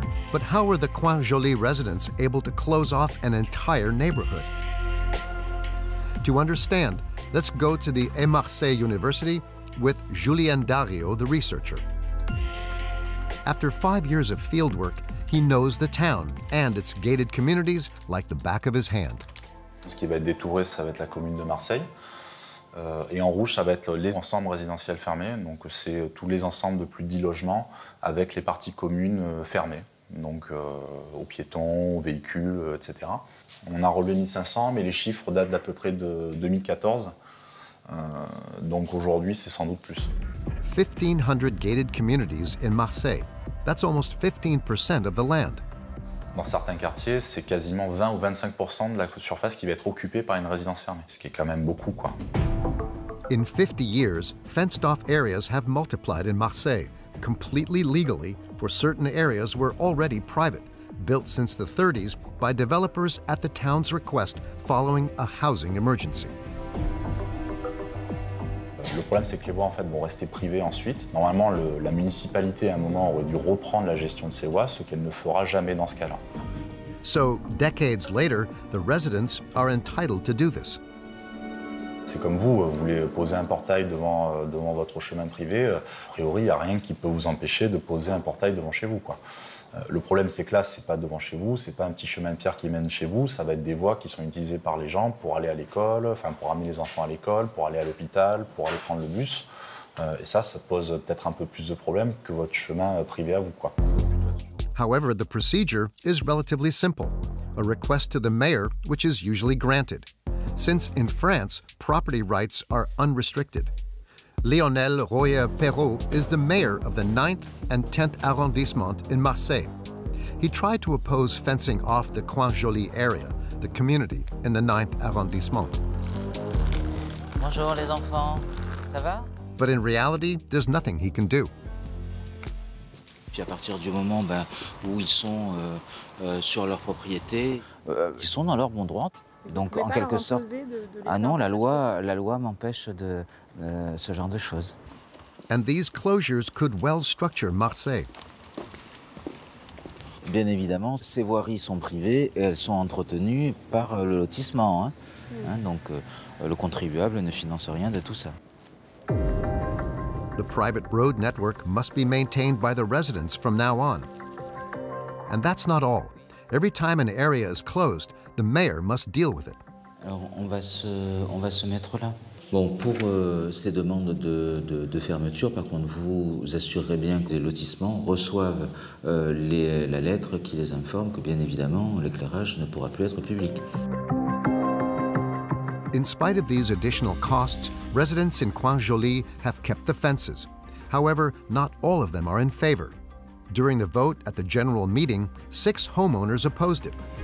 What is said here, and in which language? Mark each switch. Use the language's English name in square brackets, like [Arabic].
[English] But how were the Coin Joli residents able to close off an entire neighborhood? To understand, let's go to the Marseille University with Julien Dario, the researcher. After 5 years of fieldwork, he knows the town and its gated communities like the back of his hand. [French] Ce qui va être détouré, ça va être la commune de Marseille. Et en rouge, ça va être les ensembles résidentiels fermés. Donc, c'est tous les ensembles de plus de 10 logements avec les parties communes fermées. Donc, aux piétons, aux véhicules, etc. On a relevé 1500, mais les chiffres datent d'à peu près de 2014. Donc, aujourd'hui, c'est sans doute plus. [English] 1500 gated communities in Marseille. That's almost 15% of the land. [French] Dans certains quartiers, c'est quasiment 20 ou 25% de la surface qui va être occupée par une résidence fermée, ce qui est quand même beaucoup, quoi. [English] In 50 years, fenced-off areas have multiplied in Marseille, completely legally for certain areas were already private, built since the 30s by developers at the town's request following a housing emergency. [French] Le problème, c'est que les voies en fait, vont rester privées ensuite. Normalement, la municipalité, à un moment, aurait dû reprendre la gestion de ces voies, ce qu'elle ne fera jamais dans ce cas-là. [English] So, decades later, the residents are entitled to do this. [French] C'est comme vous, vous voulez poser un portail devant votre chemin privé. A priori, il n'y a rien qui peut vous empêcher de poser un portail devant chez vous, quoi. Le problème, c'est que là, ce n'est pas devant chez vous, ce n'est pas un petit chemin de pierre qui mène chez vous, ça va être des voies qui sont utilisées par les gens pour aller à l'école, enfin pour amener les enfants à l'école, pour aller à l'hôpital, pour aller prendre le bus. Et ça, ça pose peut-être un peu plus de problèmes que votre chemin privé à vous, quoi. [English] However, the procedure is relatively simple. A request to the mayor, which is usually granted. Since in France, property rights are unrestricted. Lionel Royer-Perrault is the mayor of the 9th and 10th arrondissement in Marseille. He tried to oppose fencing off the Coin Joli area, the community in the 9th arrondissement. [French] Bonjour les enfants, ça va? [English] But in reality, there's nothing he can do. [French] Puis à partir du moment ben, où ils sont sur leur propriété, ils sont dans leur bon droit. Donc, en quelque sorte, la loi m'empêche de ce genre de choses. [English] And these closures could well structure Marseille. [French] Bien évidemment, ces voiries sont privées et elles sont entretenues par le lotissement. Hein. Mm. Hein, donc, le contribuable ne finance rien de tout ça. [English] The private road network must be maintained by the residents from now on. And that's not all. Every time an area is closed, the mayor must deal with it. [French] Alors, on va se mettre là. Bon, pour ces demandes de fermeture, par contre, vous assurerez bien que les lotissements reçoivent la lettre qui les informe que, bien évidemment, l'éclairage ne pourra plus être public. [English] In spite of these additional costs, residents in Coin Joli have kept the fences. However, not all of them are in favor. During the vote at the general meeting, 6 homeowners opposed it.